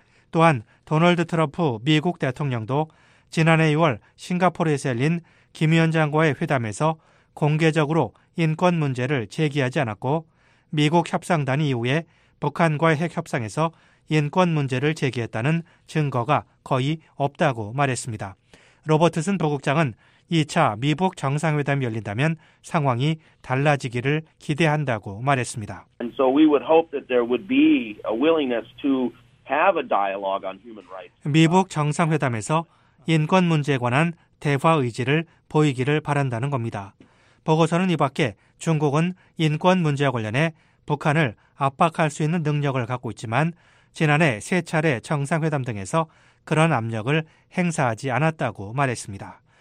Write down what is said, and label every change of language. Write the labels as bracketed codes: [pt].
[ko] 또한 도널드 트럼프 미국 대통령도 지난해 2월 싱가포르에서 열린 김 위원장과의 회담에서 공개적으로 인권 문제를 제기하지 않았고 미국 협상단이 이후에 북한과의 핵 협상에서 인권 문제를 제기했다는 증거가 거의 없다고 말했습니다. 로버트슨 보국장은 2차 미북 정상회담이 열린다면 상황이 달라지기를 기대한다고 말했습니다. [en] And so we would hope that there would be a willingness to have a dialogue on human rights. [ko] 미북 정상회담에서 인권 문제에 관한 대화 의지를 보이기를 바란다는 겁니다. 보고서는 이 밖에 중국은 인권 문제와 관련해 북한을 압박할 수 있는 능력을 갖고 있지만 지난해 세 차례 정상회담 등에서 그런 압력을 행사하지 않았다고 말했습니다.